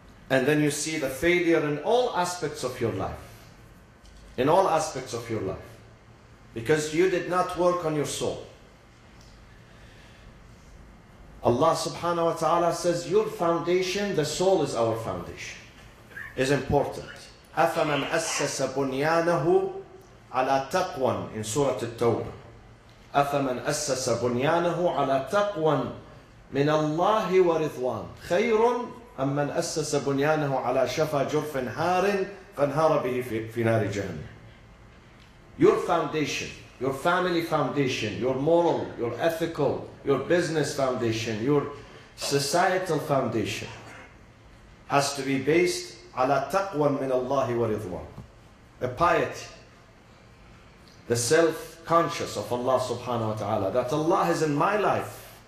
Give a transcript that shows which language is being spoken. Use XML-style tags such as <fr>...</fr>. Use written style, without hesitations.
<en>And then you see the failure in all aspects of your life. In all aspects of your life. Because you did not work on your soul. Allah subhanahu wa ta'ala says, your foundation, the soul is our foundation. Is important.</en> <ar>أَفَمَنْ أَسَّسَ بُنْيَانَهُ عَلَى تَقْوًا</ar> <en>in Surah At-Tawbah.</en> <ar>أَفَمَنْ أَسَّسَ بُنْيَانَهُ عَلَى تَقْوًا مِنَ اللَّهِ وَرِضْوَانِ خَيْرٌ أم من أسس بنيانه على شفا جرف هار فانهار به في نار جهنم.</ar> <en>Your foundation, your family foundation, your moral, your ethical, your business foundation, your societal foundation has to be based</en> <ar>على تقوى من الله ورضوان.</ar> <en>A piety, the self-conscious of Allah subhanahu wa ta'ala, that Allah is in my life.</en>